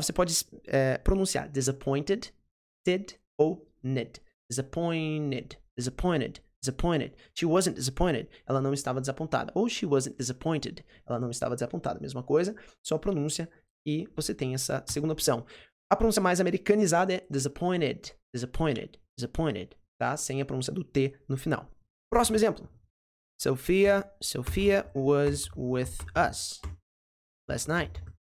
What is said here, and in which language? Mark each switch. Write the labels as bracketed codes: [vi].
[pt] Você pode pronunciar disappointed, did ou ned. [en] Disappointed. Disappointed, disappointed. She wasn't disappointed. [pt] Ela não estava desapontada. Ou [en] she wasn't disappointed. [pt] Ela não estava desapontada. Mesma coisa, só pronúncia e você tem essa segunda opção. A pronúncia mais americanizada é disappointed, disappointed, disappointed, tá? Sem a pronúncia do T no final. Próximo exemplo. [en] Sophia was with us last night.